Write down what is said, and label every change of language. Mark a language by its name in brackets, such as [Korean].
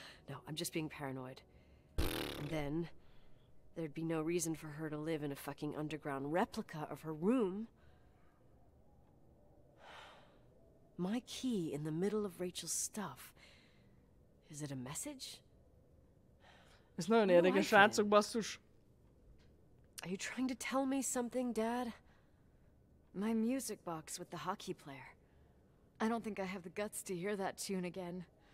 [English] No, I'm just being paranoid. And then, there'd be no reason for her to live in a fucking underground replica of her room. My key in the middle of Rachel's stuff. Is it a message? [Hungarian] Ez nagyon érdekes, srácok, basszus. [English] Are you trying to tell me something, Dad? My music box with the hockey player. I don't think I have the guts to hear that tune again.